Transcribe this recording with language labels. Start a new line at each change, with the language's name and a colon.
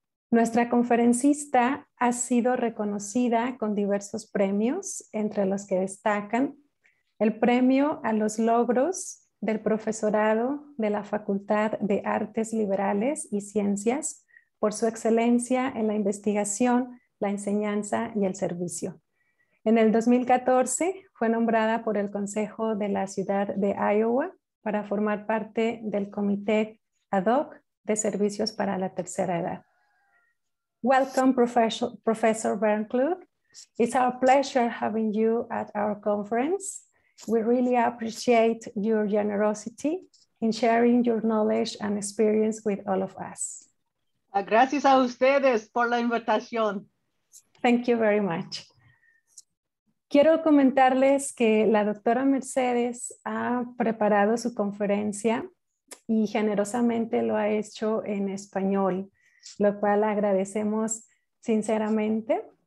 Spanish: Nuestra conferencista ha sido reconocida con diversos premios, entre los que destacan el premio a los logros del profesorado de la Facultad de Artes Liberales y Ciencias por su excelencia en la investigación, la enseñanza y el servicio. En el 2014 fue nombrada por el Consejo de la Ciudad de Iowa para formar parte del Comité Ad Hoc de Servicios para la Tercera Edad.
English: Welcome, Professor Bernclub. It's our pleasure having you at our conference. We really appreciate your generosity in sharing your knowledge and experience with all of us.
Spanish: Gracias a ustedes por la invitación.
English: Thank you very much.
Spanish: Quiero comentarles que la doctora Mercedes ha preparado su conferencia y generosamente lo ha hecho en español, lo cual agradecemos sinceramente.